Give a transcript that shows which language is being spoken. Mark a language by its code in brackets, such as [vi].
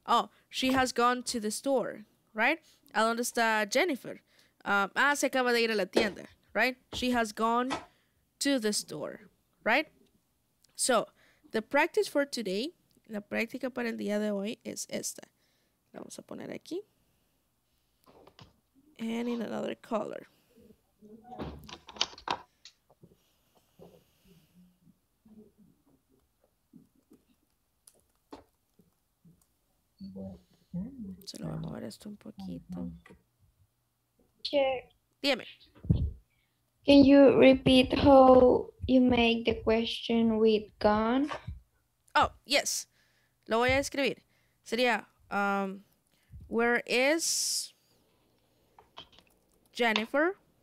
[en] Oh, she has gone to the store, right? [es] ¿A dónde está Jennifer? Se acaba de ir a la tienda, right? [en] She has gone to the store, right? So, the practice for today, [es] la práctica para el día de hoy es esta. La vamos a poner aquí. [en] And in another color. [es] se lo voy a mover esto un poquito. [en] Chair. [es] Dime. [en] Can you repeat how you make the question with gone? Oh, yes. [es] Lo voy a escribir. Sería, [en] where is Jennifer?